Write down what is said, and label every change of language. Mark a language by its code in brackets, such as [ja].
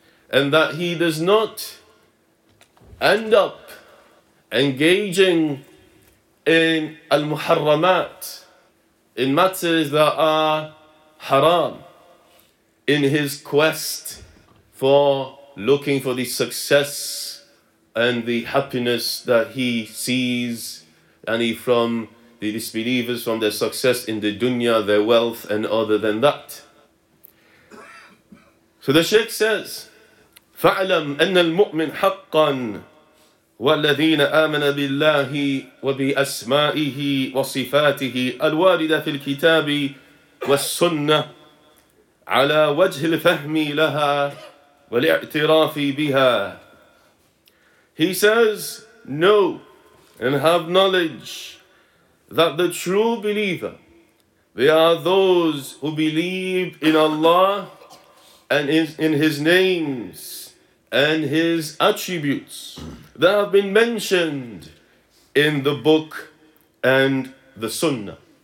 [en] And that he does not end up engaging in al-muharramat, in matters that are haram, in his quest for looking for the success and the happiness that he sees and from the disbelievers, from their success in the dunya, their wealth, and other than that. So the Shaykh says, [ar] فَعْلَمْ أَنَّ الْمُؤْمِنْ حَقًّا وَالَّذِينَ آمَنَ بِاللَّهِ وَبِأَسْمَائِهِ وَصِفَاتِهِ الْوَارِدَةِ فِي الْكِتَابِ وَالسُّنَّةِ عَلَى وَجْهِ الْفَهْمِ لَهَا وَالْإِعْتِرَافِ بِهَا. [en] He says, know and have knowledge that the true believer, they are those who believe in Allah and in his names and his attributes that have been mentioned in the book and the sunnah.